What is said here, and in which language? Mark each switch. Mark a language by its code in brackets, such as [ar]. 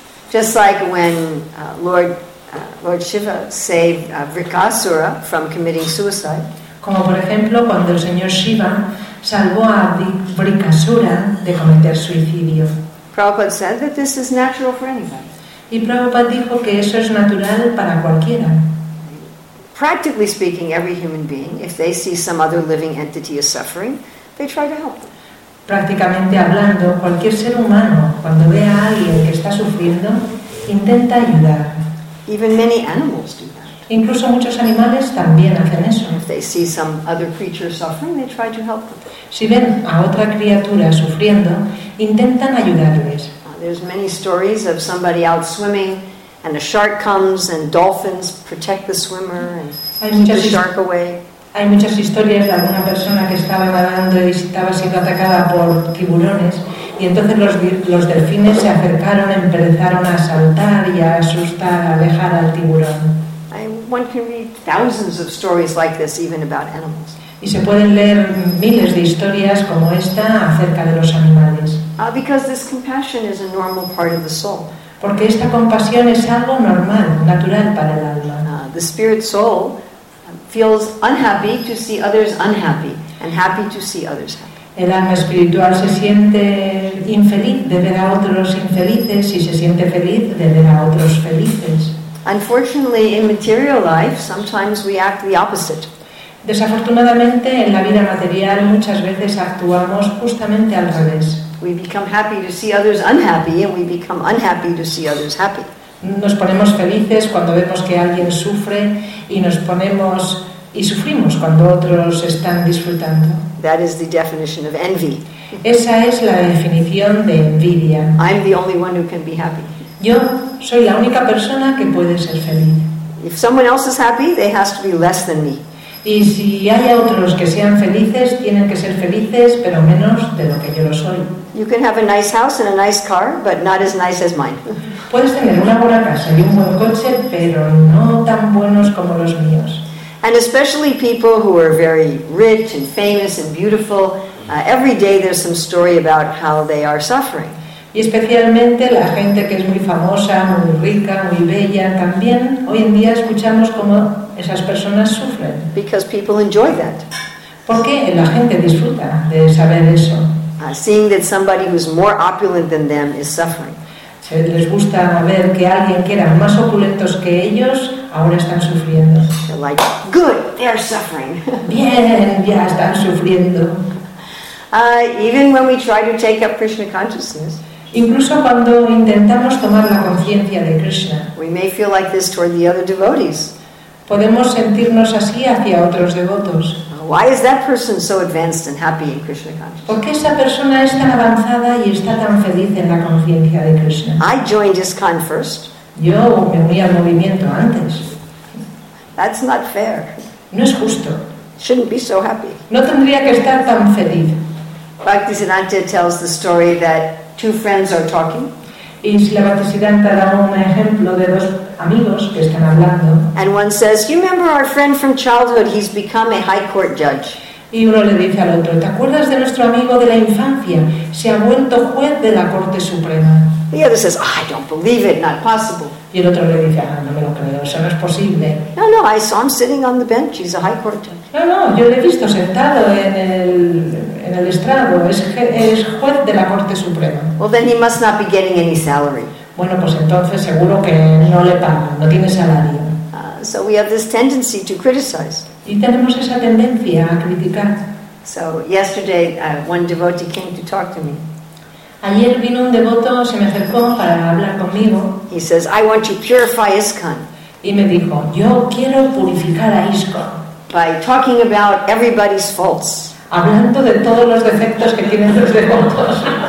[en] Just like when Lord Shiva saved Vrikasura from committing suicide. [es] Como por ejemplo cuando el señor Shiva salvó a Vrikasura de cometer suicidio. [en] Prabhupada said that this is natural for anybody. [es] Y Prabhupada dijo que eso es natural para cualquiera. [en] Practically speaking, every human being, if they see some other living entity is suffering, they try to help. [es] Prácticamente hablando, cualquier ser humano, cuando ve a alguien que está sufriendo, intenta ayudar. [en] Even many animals do that. [es] Incluso muchos animales también hacen eso. [en] If they see some other creature suffering, they try to help them. [es] Si ven a otra criatura sufriendo, intentan ayudarles. [en] There's many stories of somebody out swimming and a shark comes and dolphins protect the swimmer and keep the shark away. [es] Hay muchas historias de alguna persona que estaba nadando y estaba siendo atacada por tiburones y entonces los delfines se acercaron, empezaron a saltar y a asustar, a alejar al tiburón. [en] I one can read thousands of stories like this, even about animals. [es] Y se pueden leer miles de historias como esta acerca de los animales. [en] Because this compassion is a normal part of the soul. [es] Porque esta compasión es algo normal, natural para el alma. [en] The spirit soul feels unhappy to see others unhappy and happy to see others happy. [es] El alma espiritual se siente infeliz de ver a otros infelices y se siente feliz de ver a otros felices. [en] Unfortunately, in material life, sometimes we act the opposite. [es] Desafortunadamente, en la vida material muchas veces actuamos justamente al revés. [en] We become happy to see others unhappy and we become unhappy to see others happy. [es] Nos ponemos felices cuando vemos que alguien sufre y nos ponemos y sufrimos cuando otros están disfrutando. [en] That is the definition of envy. [es] Esa es la definición de envidia. [en] I'm the only one who can be happy. [es] Yo soy la única persona que puede ser feliz. [en] If someone else is happy, they have to be less than me. [es] Y si hay otros que sean felices, tienen que ser felices, pero menos de lo que yo lo soy. [en] You can have a nice house and a nice car, but not as nice as mine. [es] Puedes tener una buena casa y un buen coche, pero no tan buenos como los míos. [en] And especially people who are very rich and famous and beautiful, every day there's some story about how they are suffering. [es] Y especialmente la gente que es muy famosa, muy rica, muy bella, también hoy en día escuchamos cómo esas personas sufren. [en] Because people enjoy that. [es] Porque la gente disfruta de saber eso. [en] Seeing that somebody who's more opulent than them is suffering. [es] Se les gusta ver que alguien que era más opulentos que ellos ahora están sufriendo. [en] They're like, good, they're suffering. [es] Bien, ya están sufriendo. [en] Even when we try to take up Krishna consciousness, [es] incluso cuando intentamos tomar la conciencia de Krishna, [en] we may feel like this toward the other devotees. [es] Podemos sentirnos así hacia otros devotos. [en] Why is that person so advanced and happy in Krishna consciousness? [es] ¿Por qué esa persona es tan avanzada y está tan feliz en la conciencia de Krishna? [en] I joined ISKCON first. [es] Yo me uní al movimiento antes. [en] That's not fair. [es] No es justo. [en] Shouldn't be so happy. [es] No tendría que estar tan feliz. [en] Bhaktisiddhanta tells the story that two friends are talking. [es] Y la Bhaktisiddhanta da un ejemplo de dos amigos que están hablando. [en] And one says, "You remember our friend from childhood? He's become a high court judge." [es] Y uno le dice al otro, "¿Te acuerdas de nuestro amigo de la infancia? Se ha vuelto juez de la Corte Suprema." [en] The other says, "Oh, I don't believe it. Not possible." [es] Y el otro le dice, "Ah, no me lo creo. Eso no es posible." [en] "No, no. I saw him sitting on the bench. He's a high court judge." [es] "No, no. Yo le he visto sentado en el estrado. Es juez de la Corte Suprema." [en] "Well, then he must not be getting any salary." [es] "Bueno, pues entonces seguro que no le pagan, no tiene salario." [en] So we have this tendency to criticize. [es] Y tenemos esa tendencia a criticar. [en] So yesterday, one devotee came to talk to me. [es] Ayer vino un devoto, se me acercó para hablar conmigo. [en] He says, "I want to purify ISKCON." [es] Y me dijo, "Yo quiero purificar a ISKCON." [en] By talking about everybody's faults. [es] Hablando de todos los defectos que tienen los devotos.